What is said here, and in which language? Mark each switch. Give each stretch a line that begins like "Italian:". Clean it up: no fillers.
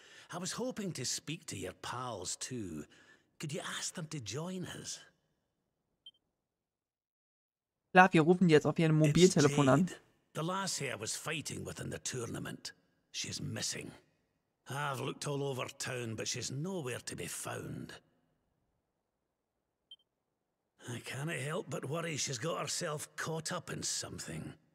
English: I was hoping to speak to your pals, too. Could you ask them to join us?
German: Klar, wir rufen die jetzt auf ihren Mobiltelefon an.
English: The lass here was fighting within the tournament. She's missing. I've looked all over town, but she's nowhere to be found. I can't help but worry she's got herself caught up in something.